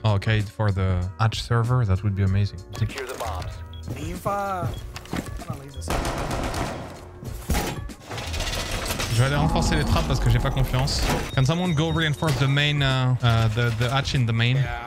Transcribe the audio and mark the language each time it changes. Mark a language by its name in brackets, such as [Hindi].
[English] Oh, okay, for the Hatch server, that would be amazing. Secure the bombs. [French] Je vais aller renforcer les trappes parce que j'ai pas confiance. [English] Can someone go reinforce the main, the hatch in the main?